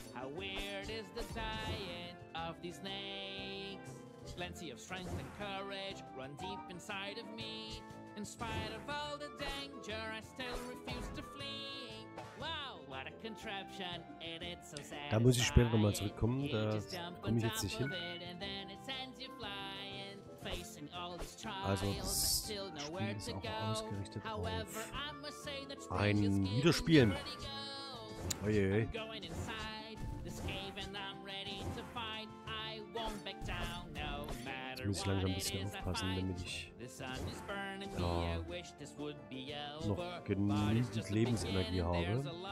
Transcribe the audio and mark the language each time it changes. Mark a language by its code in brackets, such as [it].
[en] How weird is the diet of these snakes? Plenty of strength and courage run deep inside of me. In spite of all the danger, I still refuse to flee. Wow, what a contraption, and it's so sad. [de] Da muss ich später nochmal zurückkommen, da komme ich jetzt nicht hin. [en] And then it sends you flying, facing all these trials, I still know where to go. However, I must say that [de] ein Wiederspielen. Oje. [en] I'm going inside this cave and I'm ready to fight. I won't back down. [de] Ich muss langsam ein bisschen aufpassen, damit ich noch genügend Lebensenergie habe.